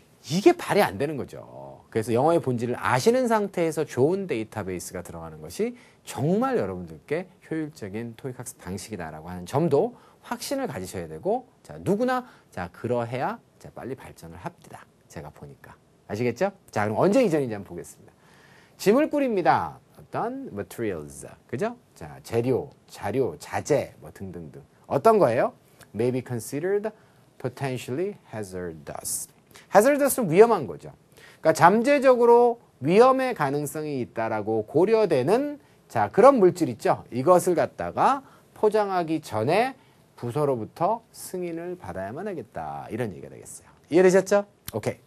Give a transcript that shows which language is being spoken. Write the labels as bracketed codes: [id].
[ko] 이게 발이 안 되는 거죠. 그래서 영어의 본질을 아시는 상태에서 좋은 데이터베이스가 들어가는 것이 정말 여러분들께 효율적인 토익 학습 방식이다라고 하는 점도 확신을 가지셔야 되고 자, 누구나 자, 그러해야 자, 빨리 발전을 합니다. 제가 보니까. 아시겠죠? 자, 그럼 언제 이전인지 한번 보겠습니다. 지물꾼입니다. 어떤 materials. 그죠? 자, 재료, 자료, 자재 뭐 등등등. 어떤 거예요? [en] May be considered potentially hazardous. [ko] Hazardous는 위험한 거죠. 그러니까 잠재적으로 위험의 가능성이 있다라고 고려되는 자, 그런 물질 있죠? 이것을 갖다가 포장하기 전에 부서로부터 승인을 받아야만 하겠다. 이런 얘기가 되겠어요. 이해되셨죠? 오케이.